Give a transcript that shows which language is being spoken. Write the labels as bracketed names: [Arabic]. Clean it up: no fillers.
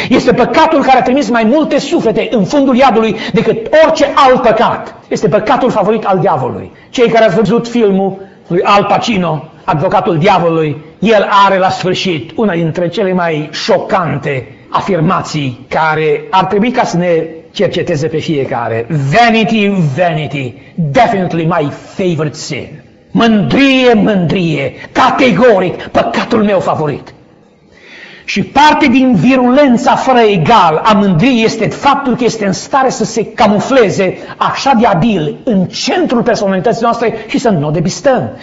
[Romanian] Este păcatul care a trimis mai multe suflete în fundul iadului decât orice alt păcat. Este păcatul favorit al diavolului. Cei care ați văzut filmul lui Al Pacino, Avocatul Diavolului, el are la sfârșit una dintre cele mai șocante afirmații care ar trebui ca să ne cerceteze pe fiecare. [English] Vanity, vanity, definitely my favorite sin. [Romanian] Mândrie, mândrie, categoric, păcatul meu favorit. Și parte din virulența fără egal a mândriei este faptul că este în stare să se camufleze așa de abil în centrul personalității noastre și să nu o depistăm.